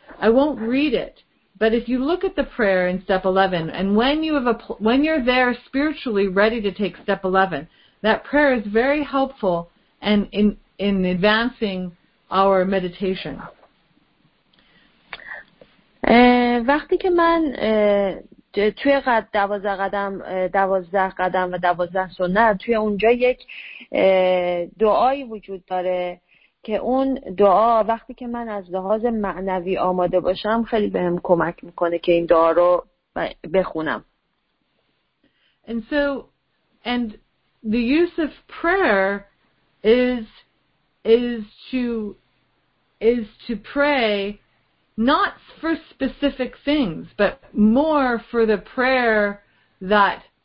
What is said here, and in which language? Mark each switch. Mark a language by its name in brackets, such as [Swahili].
[English] I won't read it, but if you look at the prayer in step 11, and when you're there spiritually ready to take step 11, that prayer is very helpful and in advancing our meditation. [Persian] وقتی که من توی قد 12 قدم 12 قدم و 12 سنت توی اونجا یک دعایی وجود داره که اون دعا وقتی که من از لحاظ معنوی آماده باشم خیلی بهم کمک میکنه که این دعا رو بخونم. [English] And the use of prayer is to pray not for specific things, but more for the prayer that